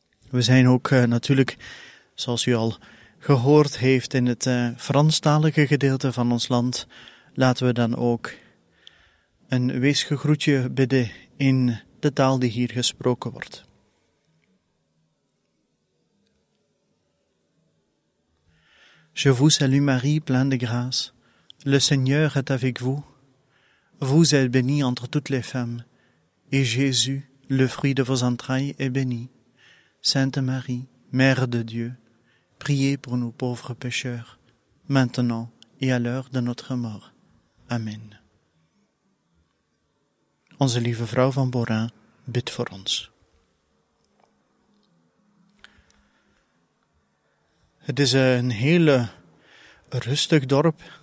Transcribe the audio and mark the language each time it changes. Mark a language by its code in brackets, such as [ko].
[nl] We zijn ook natuurlijk, zoals u al gehoord heeft, in het Franstalige gedeelte van ons land, laten we dan ook een weesgegroetje bidden in de taal die hier gesproken wordt. [fr] Je vous salue Marie, pleine de grâce. Le Seigneur est avec vous. Vous êtes bénie entre toutes les femmes. Et Jésus, le fruit de vos entrailles, est béni. Sainte Marie, Mère de Dieu, priez pour nous pauvres pécheurs, maintenant et à l'heure de notre mort. Amen. [nl] Onze Lieve Vrouw van Bora, bid voor ons. Het is een heel rustig dorp.